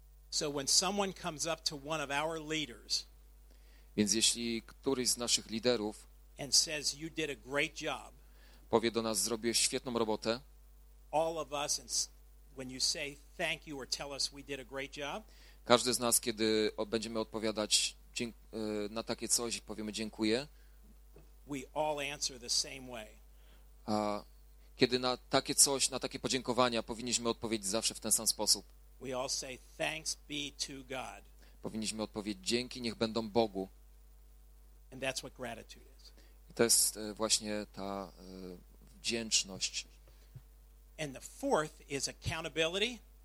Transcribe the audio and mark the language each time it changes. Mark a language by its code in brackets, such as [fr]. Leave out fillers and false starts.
[en] So when someone comes up to one of our leaders, [pl] więc jeśli któryś z naszych liderów [en] and says, you did a great job, [pl] powie do nas, zrobiłeś świetną robotę, [en] all of us, when you say thank you or tell us we did a great job, [pl] każdy z nas, kiedy będziemy odpowiadać na takie coś, powiemy dziękuję. [en] We all answer the same way. [pl] A kiedy na takie coś, na takie podziękowania, powinniśmy odpowiedzieć zawsze w ten sam sposób. [en] We all say, thanks be to God. [pl] Powinniśmy odpowiedzieć dzięki, niech będą Bogu. [en] And that's what gratitude is. [pl] I to jest właśnie ta wdzięczność. [en] And the fourth is accountability.